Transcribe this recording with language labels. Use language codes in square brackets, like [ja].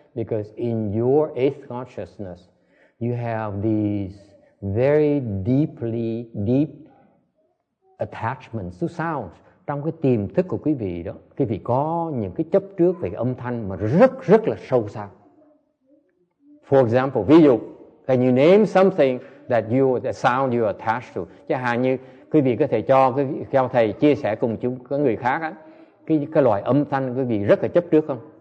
[en] Because in your eighth consciousness, you have these very deep attachments to sounds. [vi] Trong cái tiềm thức của quý vị đó, quý vị có những cái chấp trước về âm thanh mà rất rất là sâu xa. [en] For example, [vi] ví dụ, [en] can you name something that you the sound you attached to? [vi] Chẳng hạn như quý vị có thể cho thầy chia sẻ cùng chúng các người khác á, cái loại âm thanh quý vị rất là chấp trước không?